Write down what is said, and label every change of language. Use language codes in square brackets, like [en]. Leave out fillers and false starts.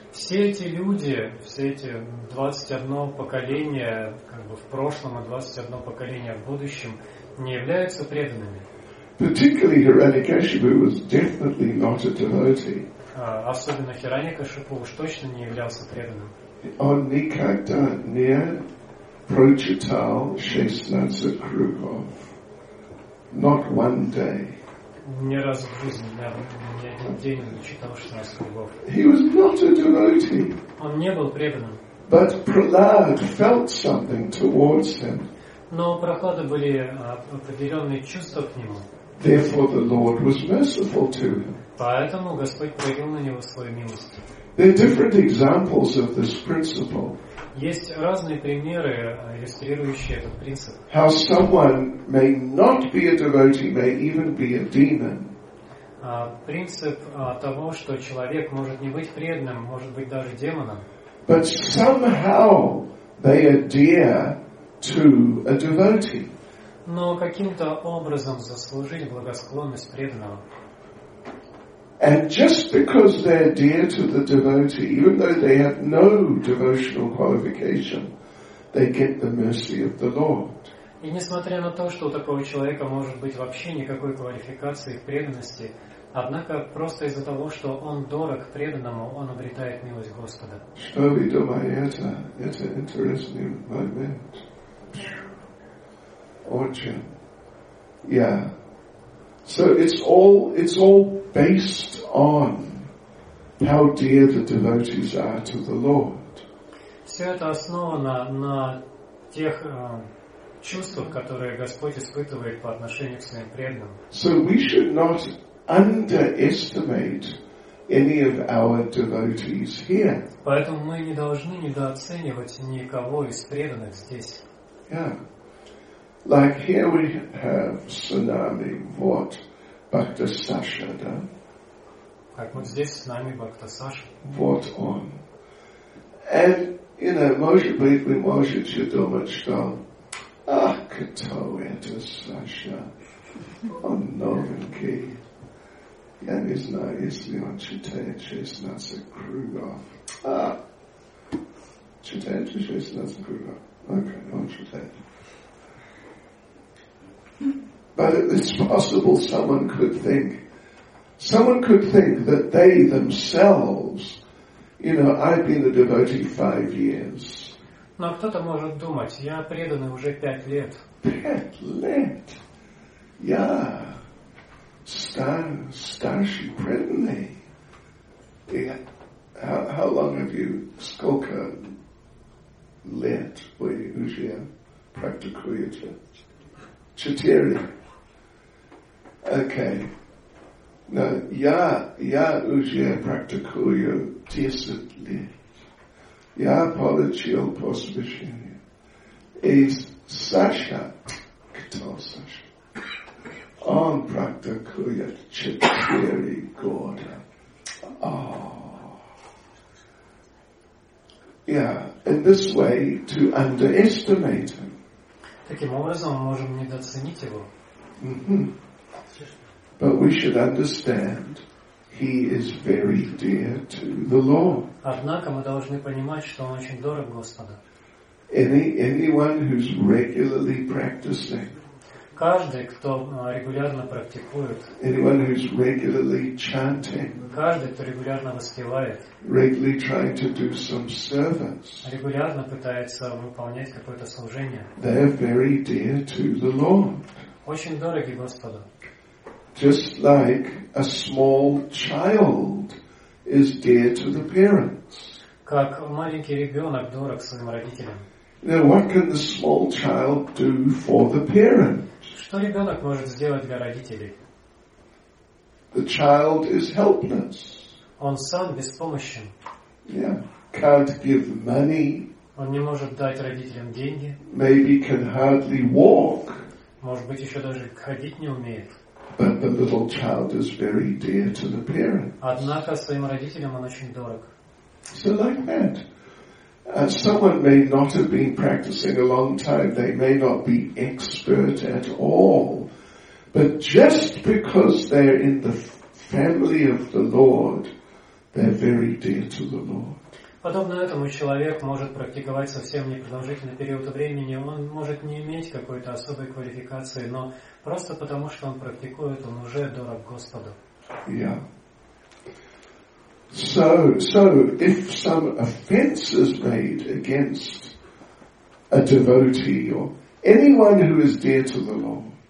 [ru] Все эти люди, все эти 21 поколение, как бы в прошлом, и 21 поколение в будущем, не являются преданными. [en] Particularly Hiranyakashipu was definitely not a devotee. [ru] Особенно Хираньякашипу уж точно не являлся преданным. Он никогда не прочитал 16 кругов. [en] Not one day. [ru] Ни разу в жизни, ни один день не читал 16 кругов. [en] He was not a devotee. [ru] Он не был преданным. [en] But Prahlad felt something towards him. [ru] Но у Прохлады были определенные чувства к нему. [en] Therefore the Lord was merciful to him. [ru] Поэтому Господь проявил на него свою милость. [en] There are different examples of this principle. [ru] Есть разные примеры, иллюстрирующие этот принцип. [en] How someone may not be a devotee, may even be a demon. [ru] Принцип того, что человек может не быть преданным, может быть даже демоном. [en] But somehow they adhere to a devotee. [ru] Но каким-то образом заслужить благосклонность преданного. [en] And just because they're dear to the devotee, even though they have no devotional qualification, they get the mercy of the Lord. [ru] И несмотря на то, что у такого человека может быть вообще никакой квалификации в преданности, однако просто из-за того, что он дорог преданному, он обретает милость Господа. Что вы думаете? Это интересный момент. Очень. Yeah. [en] So it's all based on how dear the devotees are to the Lord. [ru] Все это основано на тех чувствах, которые Господь испытывает по отношению к своим преданным. [en] So we should not underestimate any of our devotees here. [ru] Поэтому мы не должны недооценивать никого из преданных здесь. [en] Yeah. Like here we have Sanami, what? [ru] Bhakta Sasha, да? Как вот здесь с нами Бхакта Саша. Вот он. [en] And, you know, [ru] может быть, вы можете думать, что ах, кто это Саша? Он новенький. Я не знаю, если он читает 16 кругов. Ах! Читает 16 кругов. Окей, он читает. [en] But it's possible someone could think that they themselves, you know, I've been a devotee 5 years. [ru] Но кто-то может думать, я преданный уже 5 лет. 5 лет? Yeah. Старший преданный. Yeah. [en] How long have you, [ru] сколько лет вы уже практикуете? 4. Okay. Но я уже практикую 10 лет. Я получил посвящение. И Саша, кто Саша? Он практикует 4 года. [en] Yeah, in this way, to underestimate him. [ru] Таким образом, мы можем недооценить его. [en] But we should understand he is very dear to the Lord. [ru] Однако мы должны понимать, что он очень дорог Господу. [en] Anyone who's regularly practicing. [ru] Каждый, кто регулярно практикует. [en] Anyone who's regularly chanting. [ru] Каждый, кто регулярно воспевает. [en] Regularly trying to do some service. [ru] Регулярно пытается выполнять какое-то служение. [en] They're very dear to the Lord. [ru] Очень дороги Господу. [en] Just like a small child is dear to the parents. [ru] Как маленький ребенок дорог своим родителям. [en] Now, what can the small child do for the parent? [ru] Что ребенок может сделать для родителей? [en] The child is helpless. [ru] Он сам беспомощен. [en] Yeah, can't give money. [ru] Он не может дать родителям деньги. [en] Maybe can hardly walk. [ru] Может быть, еще даже ходить не умеет. [en] But the little child is very dear to the parents. [ru] Однако своим родителям он очень дорог. [en] So like that. And someone may not have been practicing a long time. They may not be expert at all. But just because they're in the family of the Lord, they're very dear to the Lord. [ru] Подобно этому человек может практиковать совсем непродолжительный период времени, он может не иметь какой-то особой квалификации, но просто потому, что он практикует, он уже дорог Господу. [en] Yeah. So if some offense is made against a devotee or anyone who is dear to the Lord.